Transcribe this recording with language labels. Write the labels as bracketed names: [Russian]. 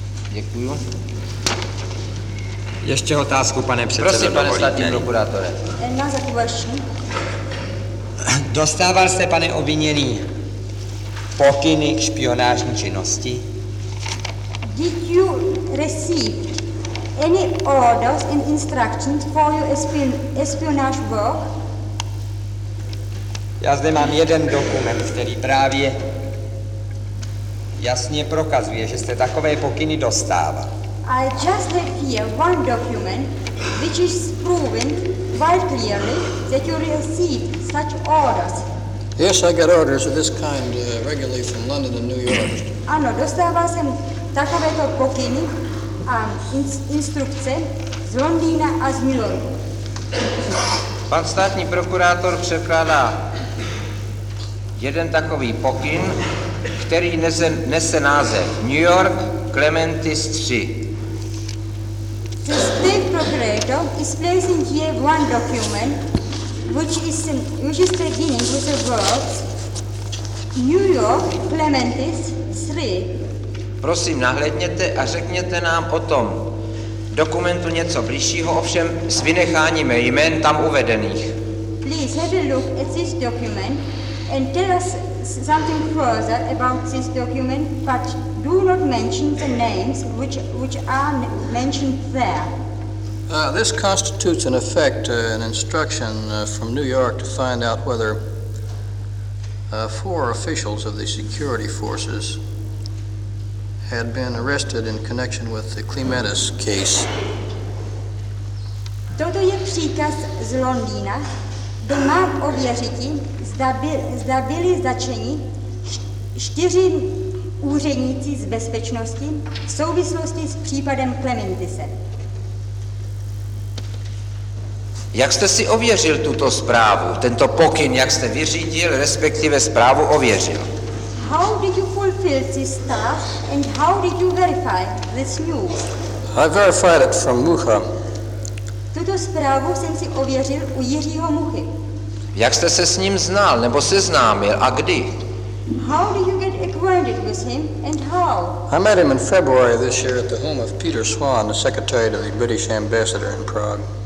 [Czech] Děkuju. Ještě otázku, pane předsedo. Prosím, pane státní prokurátore. Na zakuvačnu. Dostával jste, pane obviněný, pokyny k špionážní činnosti? [English] Did you receive any orders and instructions for your espionage work? [Czech] Já zde mám jeden dokument, který právě jasně prokazuje, že jste takové pokyny dostával. [English] I just have here one document which is proving quite clearly that you received such orders. Yes, I got orders of this kind regularly from London and New York. [Czech] Ano, dostával jsem takovéto pokyny a instrukce z Londýna a z New Yorku. Pan státní prokurátor překládá jeden takový pokyn, který nese název New York Clementis 3. [English] The state procurator is placing here one document which is beginning with the words New York Clementis 3. [Czech] Prosím, nahlédněte a řekněte nám o tom dokumentu něco bližšího, ovšem s vynecháním jmén tam uvedených. [English] Please have a look at this document and tell us something further about this document, but do not mention the names which are mentioned there. This constitutes, in effect, an instruction from New York to find out whether four officials of the security forces had been arrested in connection with the Clementis case. [Czech] Toto je příkaz z Londýna. Kdo má ověřit, zda byli začeni čtyři úředníci z bezpečnosti v souvislosti s případem Clementise. Jak jste si ověřil tuto zprávu, tento pokyn, jak jste vyřídil, respektive zprávu ověřil? [English] How did you fulfill this task and how did you verify this news? I verified it from Mucha. [Czech] Tuto zprávu jsem si ověřil u Jiřího Muchy. Jak jste se s ním znal nebo seznámil a kdy? [English] How did you get acquainted with him and how? I met him in February this year at the home of Peter Swan, the secretary to the British ambassador in Prague.